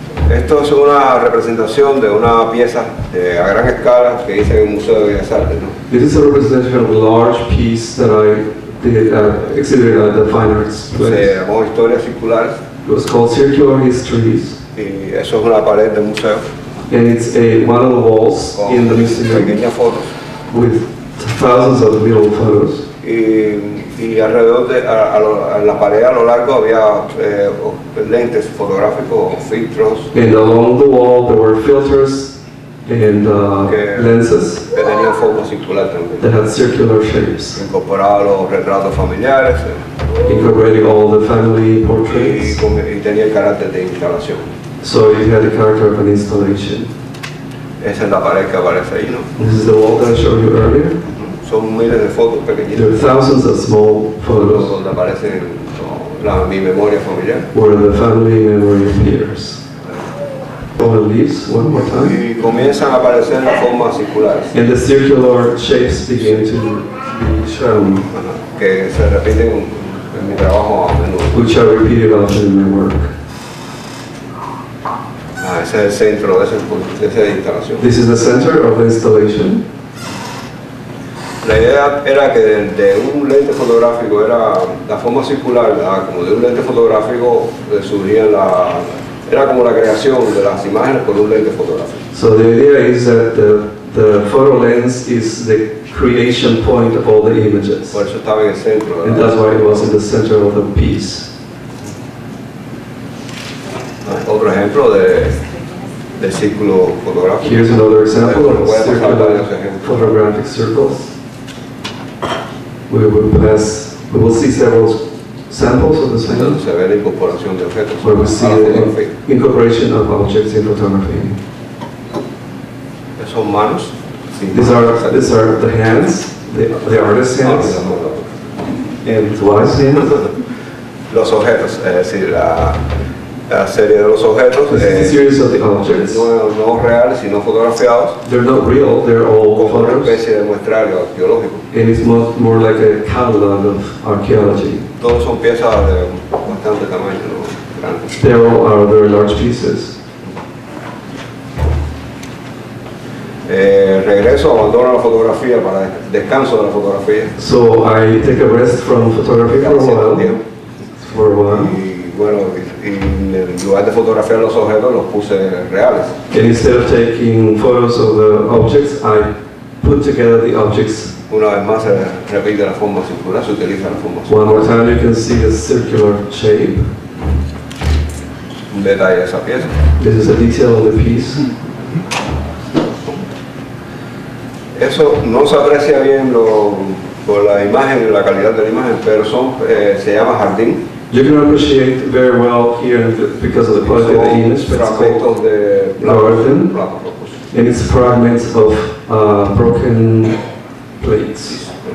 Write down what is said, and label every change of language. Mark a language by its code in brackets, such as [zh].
[es] Esto es una representación de una pieza de a gran escala que hice en el Museo de Bellas Artes, ¿no? [en] This is a representation of a large piece that I did, exhibited at the Fine Arts place. [es] Se llamó Historia Circular. [en] It was called Circular Histories. [es] Y eso es una pared del museo. [en] And it's one of the walls in the museum. [es] Pequeñas fotos. [en] With thousands of little photos. [es] Y alrededor de a la pared a lo largo había lentes fotográficos, filtros. [en] And along the wall there were filters and lenses. [es] Que tenían forma circular también. [en] That had circular shapes. [es] Incorporaba los retratos familiares. [en] Incorporating all the family portraits. [es] Y tenía el carácter de instalación. [en] So it had the character of an installation. [es] Esa es la pared que aparece ahí, ¿no? [en] This is the wall that I showed you earlier. [es] Son miles de fotos pequeñitas. [en] There are thousands of small photos. [es] Donde aparecen mi memoria familiar. [en] Where the family memory appears. All the leaves, one more time. [es] Y comienzan a aparecer las formas circulares. [en] And the circular shapes begin to be shown. [es] Que se repiten en mi trabajo a menudo. [en] Which are repeated often in my work. [es] Ese es el centro de esa instalación. [en] This is the center of the installation. [es] La idea era que de un lente fotográfico era la forma circular, ¿verdad? Como de un lente fotográfico surgía la era como la creación de las imágenes por un lente fotográfico. [en] So the idea is that the photo lens is the creation point of all the images. [es] Por eso estaba en el centro, ¿verdad? [en] And that's why it was in the center of the piece. [es] Otro ejemplo de círculo fotográfico. [en] Here's another example of circular photographic circles. We will see several samples of this thing. [es] Se ve la incorporación de objetos. [en] Where we see the incorporation of objects in photography. [es] Esos manos. [en] These are the hands, the artist's hands. And what I see. [es] Los objetos, es decir, la serie de los objetos. [en] This is a series of the objects. [es] No reales, sino fotografiados. [en] They're not real, they're all photos. [es] Como una especie de muestrario arqueológico. [en] And it's more like a catalog of archaeology. [es] Todos son piezas de bastante tamaño, ¿no? Grandes. [en] They all are very large pieces. [es] Regreso, abandono la fotografía para descanso de la fotografía. [en] So I take a rest from photography for a while. And instead of taking photos of the objects, I put together the objects. One more time, you can see the circular shape. This is a detail of the piece. [es] Eso no se aprecia bien por la imagen, la calidad de la imagen, pero se llama jardín. [en] You can appreciate very well here because of the quality of the image, but it's called garden, and it's fragments of broken plates.